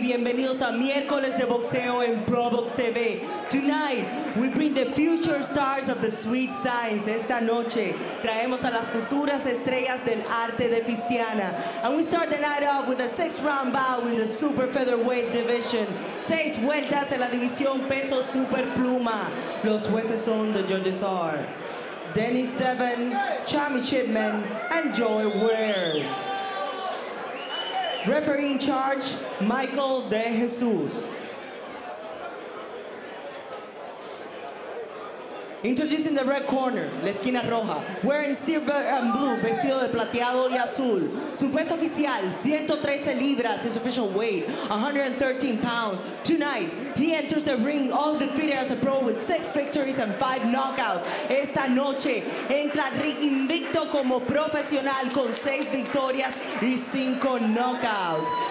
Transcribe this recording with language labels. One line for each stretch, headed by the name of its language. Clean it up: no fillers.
Spanish: Bienvenidos a miércoles de boxeo en ProBox TV.
English: Tonight, we bring the future stars of the sweet science.
Spanish: Esta noche, traemos a las futuras estrellas del arte de Fistiana.
English: And we start the night off with a six-round bout in the super featherweight division.
Spanish: Seis vueltas en la división peso super pluma. Los jueces son,
English: the judges are Dennis Devon, Chami Chipman, and Joey Ware. Referee in charge, Michael De Jesus. Introducing the red corner,
Spanish: la esquina roja,
English: wearing silver and blue,
Spanish: vestido de plateado y azul. Su peso oficial, 113 libras,
English: his official weight, 113 pounds. Tonight, he enters the ring, undefeated as a pro with 6 victories and 5 knockouts.
Spanish: Esta noche, entra ring invicto como profesional con 6 victorias y 5 knockouts.